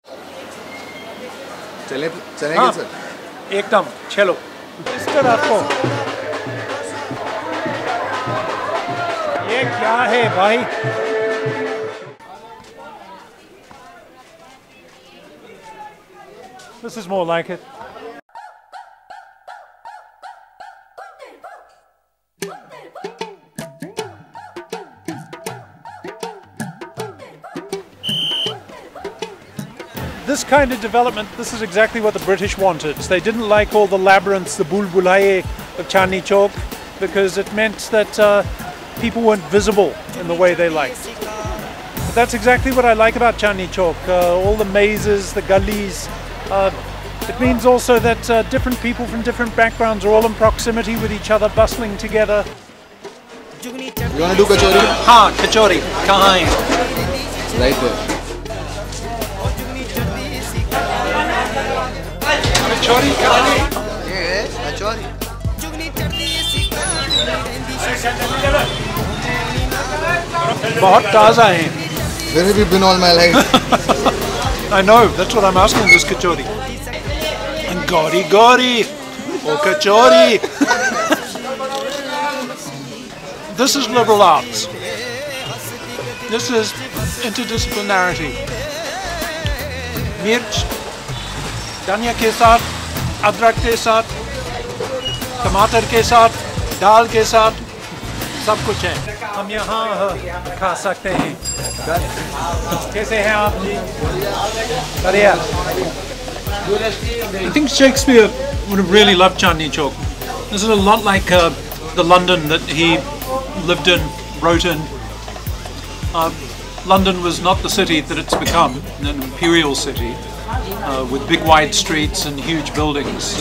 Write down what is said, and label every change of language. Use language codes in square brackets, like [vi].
[hi] चलेंगे सर एकदम चलो मिस्टर आपको ये क्या है भाई [en] This is more like it. This kind of development, this is exactly what the British wanted. They didn't like all the labyrinths, the bulbulaye of Chandni Chowk, because it meant that people weren't visible in the way they liked. But that's exactly what I like about Chandni Chowk. All the mazes, the gullies, it means also that different people from different backgrounds are all in proximity with each other, bustling together. You want to do kachori? [hi] Ha, kachori. Kahan hai? [en] Right there. [hi] Kachori, kahan hai? [en] Yes, [hi] कचौरी. बहुत ताज़ा है. [en] Where have you been all my life? I know, that's what I'm asking, this kachori. And gori gori, or kachori. This is liberal arts. This is interdisciplinarity. [hi] मिर्च, धनिया के साथ, अदरक के साथ, टमाटर के साथ, दाल के साथ, सब कुछ है. हम यहाँ खा सकते हैं. कैसे हैं आप जी? बढ़िया. [en] I think Shakespeare would have really loved Chandni Chowk. This is a lot like the London that he lived in, wrote in. London was not the city that it's become, an imperial city with big wide streets and huge buildings.